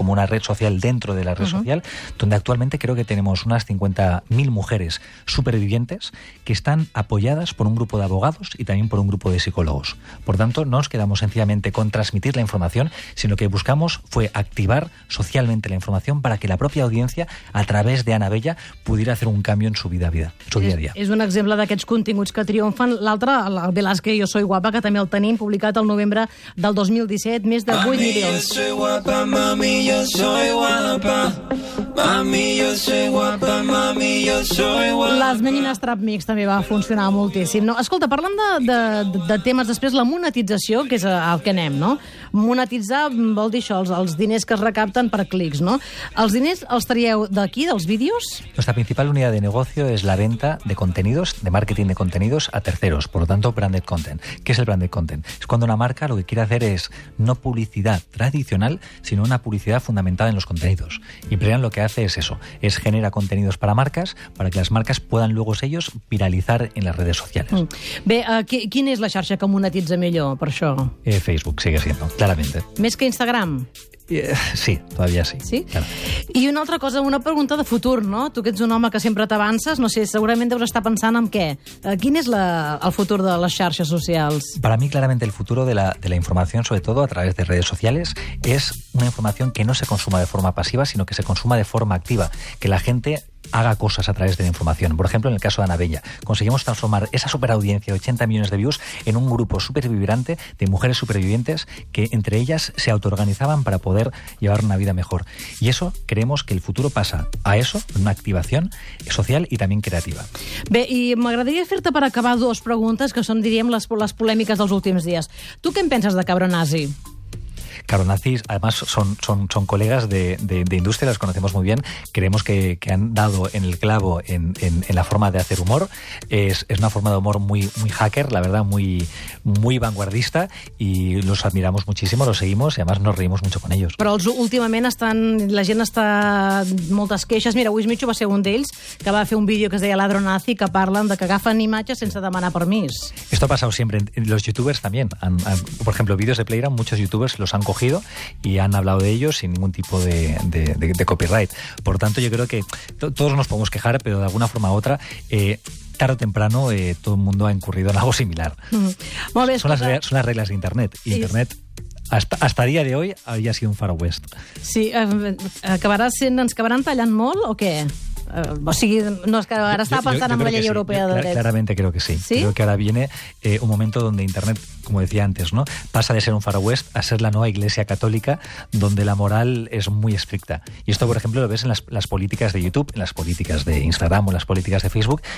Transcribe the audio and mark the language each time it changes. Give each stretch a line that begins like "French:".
Spanish: como una red social dentro de la red social, donde actualmente creo que tenemos unas 50.000 mujeres supervivientes que están apoyadas por un grupo de abogados y también por un grupo de psicólogos. Por tanto, no nos quedamos sencillamente con transmitir la información, sino que buscamos fue activar socialmente la información para que la propia audiencia, a través de Ana Bella, pudiera hacer un cambio en su vida, su dia a dia.
Catalan: És un exemple d'aquests continguts que triomfen. L'altre, el de Las que yo soy guapa, que també el tenim publicat el novembre del 2017, més de 8 milions.
Spanish: Mami, yo soy guapa, mami, yo soy guapa. Mami, yo soy guapa, mami, yo soy guapa.
Catalan: Las Meninas Trap Mix també va funcionar moltíssim. No, escolta, parlant de temes després, la monetització, que és al que anem, no? Monetitzar vol dir això, els diners que es recapten per clics, no? Els diners els traieu d'aquí, dels vídeos?
Spanish: Nuestra principal unidad de negocio es la venta de contenidos, de marketing de contenidos a terceros, por lo tanto, branded content. ¿Qué es el branded content? Es cuando una marca lo que quiere hacer es no publicidad tradicional, sino una publicidad fundamentada en los contenidos. Y Plan lo que hace es eso, es genera contenidos para marcas, para que las marcas puedan luego ellos viralizar en las redes sociales.
Catalan: Bé,
Spanish: ¿quién es
Catalan: la xarxa que monetitza millor per això?
Spanish: Facebook, sigue siendo, claramente.
Catalan: ¿Més que Instagram?
Spanish: Sí, todavía sí.
Catalan: Sí? Claro. I una altra cosa, una pregunta de futur, no? Tu que ets un home que sempre t'avances, no sé, segurament deus estar pensant en què. Quin és el futur de les xarxes socials?
Spanish: Para mí, claramente, el futuro de la información, sobre todo a través de redes sociales, es una información que no se consuma de forma pasiva, sino que se consuma de forma activa, que la gente haga cosas a través de la información. Por ejemplo, en el caso de Ana Bella, conseguimos transformar esa superaudiencia de 80 millones de views en un grupo supervibrante de mujeres supervivientes que entre ellas se autoorganizaban para poder llevar una vida mejor. Y eso, creemos que el futuro pasa a eso, una activación social y también creativa.
Catalan: Bé, i m'agradaria fer-te per acabar dues preguntes que són, diríem, les polèmiques dels últims dies. Tu què en penses de Cabronazi?
Spanish: Cabronazis, además, son colegas de industria, los conocemos muy bien. Creemos que han dado en el clavo en la forma de hacer humor. Es una forma de humor muy, muy hacker, la verdad, muy, muy vanguardista, y los admiramos muchísimo, los seguimos, y además nos reímos mucho con ellos.
Catalan: Però últimament la gent està moltes queixes. Mira, Wish Micho va ser un d'ells, que va fer un vídeo que es deia Ladronazi, que parlen de que agafen imatges sense demanar permís.
Spanish: Esto ha pasado siempre, los youtubers también. Por ejemplo, vídeos de Playground, muchos youtubers los han cogido y han hablado de ellos sin ningún tipo de copyright. Por tanto, yo creo que todos nos podemos quejar, pero de alguna forma u otra, tarde o temprano, todo el mundo ha incurrido en algo similar.
Catalan: Molt bé,
Spanish: son las reglas de Internet. Internet, hasta día de hoy, había sido un Far West.
Catalan: Sí, ens acabaran tallant molt o què?
Spanish: Ahora estaba pensando en la ley europea de derechos. Claramente creo que sí. Creo que ahora viene un momento donde Internet, como decía antes, ¿no?, pasa de ser un Far West a ser la nueva iglesia católica, donde la moral es muy estricta. Y esto, por ejemplo, lo ves en las políticas de YouTube, en las políticas de Instagram o en las políticas de Facebook.